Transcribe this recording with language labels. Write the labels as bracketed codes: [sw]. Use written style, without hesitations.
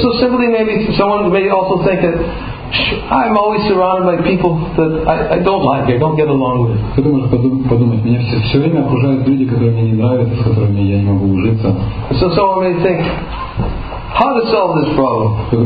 [en] So simply maybe someone may also think that I'm always surrounded by people that I don't like, I don't get along with. [ru] Кто-то может подумать, меня все время окружают люди, которые мне не нравятся, с которыми я не могу ужиться. [en] So someone may think, how to solve this problem?